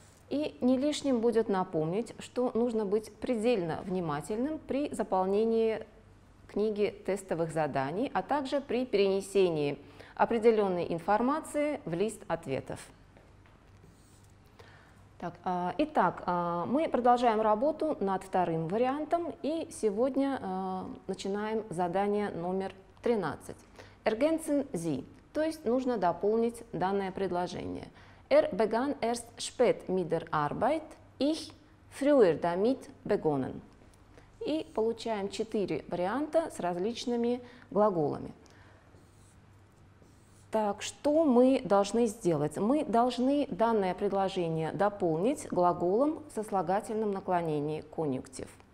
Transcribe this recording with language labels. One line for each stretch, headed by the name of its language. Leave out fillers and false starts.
Russian: И не лишним будет напомнить, что нужно быть предельно внимательным при заполнении книги тестовых заданий, а также при перенесении определенной информации в лист ответов. Итак, мы продолжаем работу над вторым вариантом и сегодня начинаем задание номер 13.
German: Ergänzen Sie,
Russian: то есть нужно дополнить данное предложение.
German: Begann erst spät mit der Arbeit, ich früher damit begonnen.
Russian: И получаем 4 варианта с различными глаголами. Так, что мы должны сделать? Мы должны данное предложение дополнить глаголом со слагательным наклонением конъюнктив.